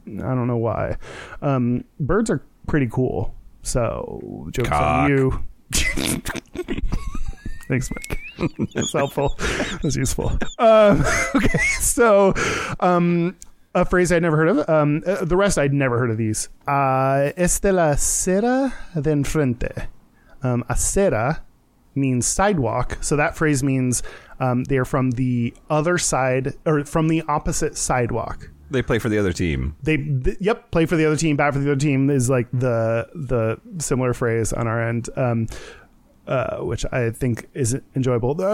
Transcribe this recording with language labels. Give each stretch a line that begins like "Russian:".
English: I don't know why. Birds are pretty cool. So, joke's cock. On you. Thanks, Mike. That's helpful. That's useful. Okay, so... A phrase I'd never heard of. The rest I'd never heard of these.
Spanish: Es de la acera de enfrente.
English: Acera means sidewalk. So that phrase means they're from the other side or from the opposite sidewalk. They play for the other team. They play for the other team. Bad for the other team is like the similar phrase on our end, which I think is enjoyable.